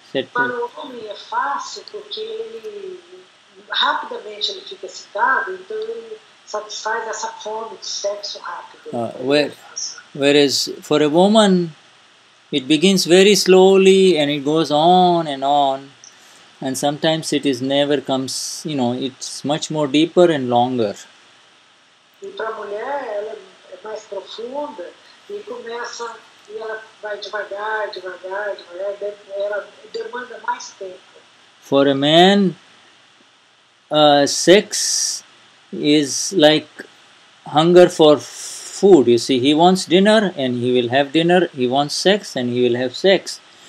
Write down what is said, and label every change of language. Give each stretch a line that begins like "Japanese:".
Portuguese: Said para o homem é fácil porque ele, rapidamente ele fica excitado, então ele satisfaz essa fome de sexo rápido.
English: Whereas for a woman, it begins very slowly and it goes on, and sometimes it is never comes, you know, it's much more deeper and longer.
Portuguese: E para a mulher, ela é mais profunda e começa, e ela vai devagar, ela demanda mais tempo.
English: For a man, sex is like hunger for food, you see, he wants dinner and he will have dinner, he wants sex and he will have sex.